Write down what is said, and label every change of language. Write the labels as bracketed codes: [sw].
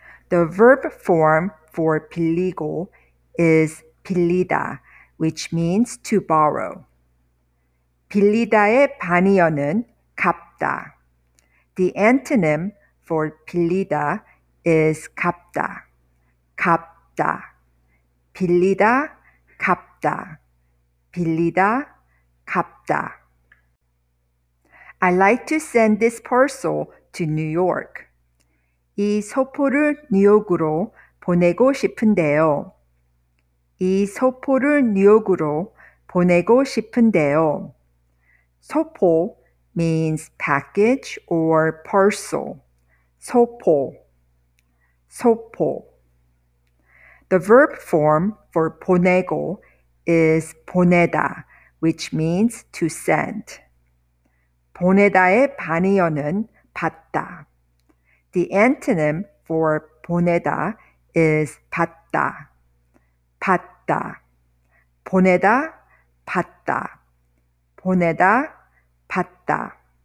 [en] The verb form for 빌리고 is 빌리다, which means to borrow. [ko] 빌리다의 반의어는 갚다. [en] The antonym for 빌리다 is 갚다. [ko] 갚다. 빌리다, 갚다. 빌리다, 갚다. [en] I like to send this parcel to New York. [ko] 이 소포를 뉴욕으로 보내고 싶은데요. 이 소포를 뉴욕으로 보내고 싶은데요. [en] 소포 means package or parcel. 소포. 소포. The verb form for 보내고 is 보내다, which means to send. [ko] 보내다의 반의어는 받다. [en] The antonym for 보내다 is 받다. 받다. [ko] 보내다, 받다. 보내다, 받다.